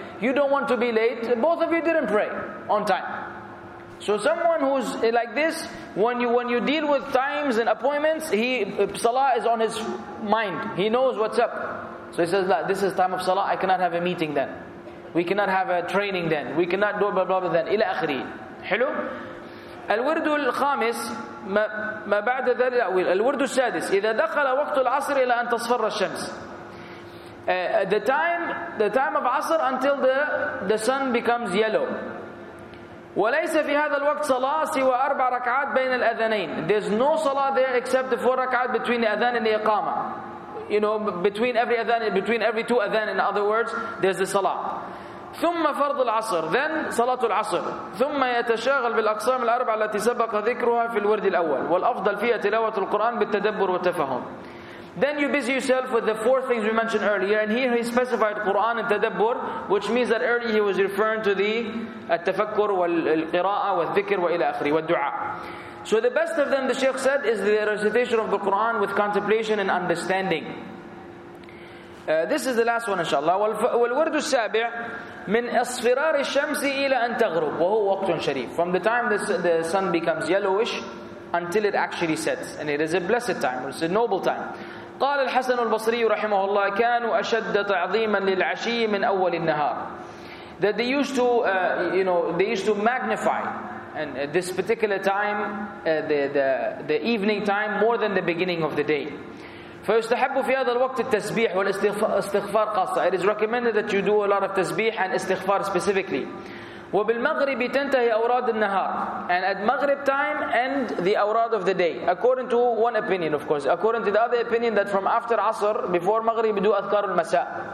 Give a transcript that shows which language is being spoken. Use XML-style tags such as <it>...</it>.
<en>You don't want to be late. Both of you didn't pray on time. So someone who's like this, when you deal with times and appointments, salah is on his mind. He knows what's up. So he says, this is time of salah. I cannot have a meeting then. We cannot have a training then. We cannot do blah, blah, blah then.</en> <ar>إلى آخره. حلو؟ الورد الخامس ما بعد ذلك الورد السادس إذا دخل وقت العصر إلى أن تصفر الشمس.</ar> <en>The time of عصر until the sun becomes yellow.</en> <ar>وليس في هذا الوقت صلاة سوى أربع ركعات بين الأذنين.</ar> <en>There's no salah there except the four rak'at between the adhan and the iqama. You know, between every adhan, between every two adhan, in other words, there's the salah.</en> <ar>ثم فرض العصر. Then صلاة العصر. ثم يتشاغل بالأقسام الأربع التي سبق ذكرها في الورد الأول. والأفضل فيها تلاوة القرآن بالتدبر والتفهم.</ar> <en>Then you busy yourself with the four things we mentioned earlier. And here he specified Quran and Tadabbur, which means that earlier he was referring to the Al-Tafakkur, Al-Qira'ah, Al-Dhikr, Wa ila akhri, Al-Dua. So the best of them, the Shaykh said, is the recitation of the Quran with contemplation and understanding. This is the last one, inshallah.</en> <ar>والورد السابع من اصفرار الشمس إلى أن تغرب وهو وقت شريف.</ar> <en>From the time the sun becomes yellowish until it actually sets. And it is a blessed time. It's a noble time.</en> <ar>قال الحسن البصري رحمه الله كانوا أشد تعظيما للعشي من أول النهار.</ar> <en>That they used to, they used to magnify and this particular time, the evening time, more than the beginning of the day.</en> <ar>فيستحب في هذا الوقت التسبيح والاستغفار خاصة.</ar> <en>It is recommended that you do a lot of تسبيح and استغفار specifically.</en> <ar>وبالمغرب تنتهي أوراد النهار.</ar> <en>And at Maghrib time end the Awrad of the day. According to one opinion, of course. According to the other opinion, that from after Asr, before Maghrib, do أذكار المساء.</en>